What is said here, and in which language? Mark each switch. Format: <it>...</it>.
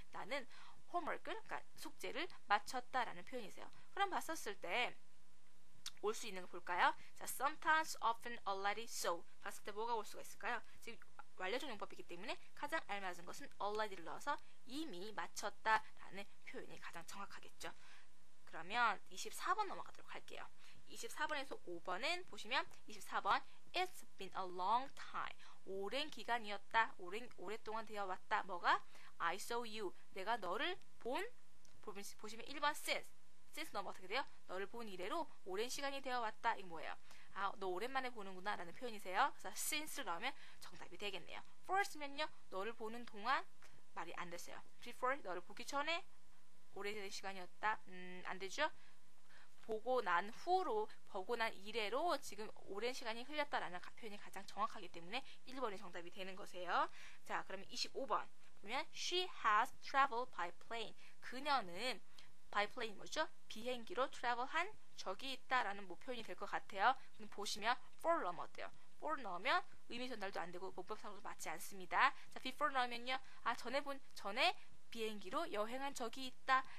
<ko>나는 homework을, 그러니까 숙제를 마쳤다라는 표현이세요. 그럼 봤었을 때 올 수 있는 거 볼까요? 자, sometimes, often, already, so. 봤을 때 뭐가 올 수가 있을까요? 지금 완료적 용법이기 때문에 가장 알맞은 것은 already를 넣어서 이미 마쳤다라는 표현이 가장 정확하겠죠. 그러면 24번 넘어가도록 할게요. 24번에서 5번은 보시면 24번</ko> <en>It's been a long time.</en> <ko>오랜 기간이었다. 오랫동안 되어왔다. 뭐가? I saw you. 내가 너를 본? 보시면 1번 since. since 넘어 어떻게 돼요? 너를 본 이래로 오랜 시간이 되어 왔다. 이게 뭐예요? 아, 너 오랜만에 보는구나 라는 표현이세요. 그래서 since를 넣으면 정답이 되겠네요. first면요, 너를 보는 동안 말이 안 됐어요. before, 너를 보기 전에 오래된 시간이었다. 안 되죠? 보고 난 후로, 보고 난 이래로 지금 오랜 시간이 흘렸다라는 표현이 가장 정확하기 때문에 1번이 정답이 되는 거세요. 자, 그러면 25번 보면</ko> <en>she has traveled by plane.</en> <ko>그녀는 by plane 뭐죠? 비행기로 travel 한 적이 있다라는 뭐 표현이 될 것 같아요. 그럼 보시면 for 넣으면 어때요? for 넣으면 의미 전달도 안 되고 문법상으로도 맞지 않습니다. 자, before 넣으면요. 아, 전에 비행기로 여행한 적이 있다.</ko>